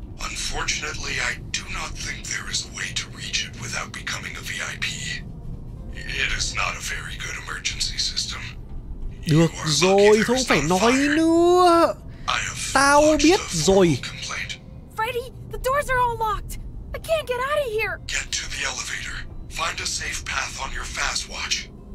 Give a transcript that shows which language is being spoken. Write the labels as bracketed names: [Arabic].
[English] Unfortunately, I do not think there is a way to reach it without becoming a VIP. It is not a very good emergency system. [Vietnamese] Được rồi, không phải nói nữa. Tao biết rồi. [English] Freddy, the doors are all locked. I can't get out of here. Get to the elevator. Find a safe path on your fast watch.